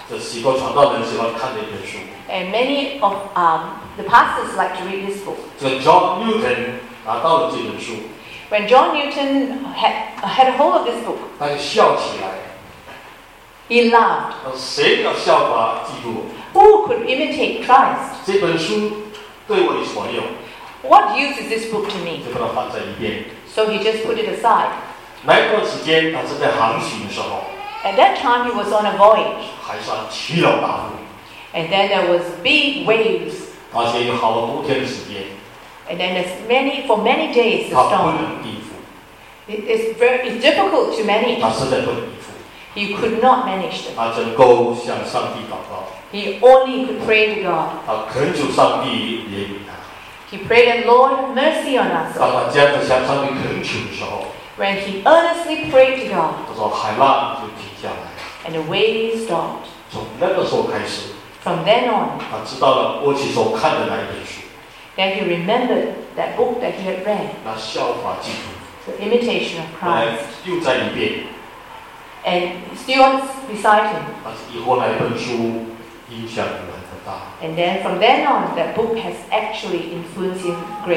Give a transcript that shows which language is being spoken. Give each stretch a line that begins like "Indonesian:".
Chinese: 这许多传道人喜欢看这本书
English: And many of the pastors like to read this book.
Chinese: 这个 John Newton 拿到了这本书
English: When John Newton had a hold of this book,
Chinese: 他就笑起来
English: He laughed.
Chinese: 他说谁要笑话基督？
English: Who could imitate Christ?
Chinese: 这本书对我有什么用?
English: What use is this book to me?
Chinese: 就把它放在一边。
English: So he just put it aside.
Chinese: 那一段时间他正在航行的时候。
English: At that time he was on a voyage.
Chinese: 海上起了大浪。
English: And then there was big waves.
Chinese: 而且有好多天的时间。
English: And then there's many days the storm.
Chinese: 他不能应付。
English: It's difficult to manage.
Chinese: 他实在不能应付。
English: He could not manage them.
Chinese: 他只能够向上帝祷告。
English: He only could pray to God.
Chinese: 他恳求上帝怜悯他。
English: He prayed that Lord mercy on us.
Chinese: 当他这样子向上帝恳求的时候
English: ，When he earnestly prayed to God.
Chinese: 他说海浪就停下来。
English: And the waves stopped.
Chinese: 从那个时候开始
English: ，From then on.
Chinese: 他知道了过去所看的那一本书。
English: Then he remembered that book that he had read.
Chinese: 那效法基督。
English: The imitation of Christ.
Chinese: 又在一边。
English: And still on beside him.
Chinese: 但是以后那一本书。影响蛮大。
English: And then from then on, that book has actually influenced him greatly.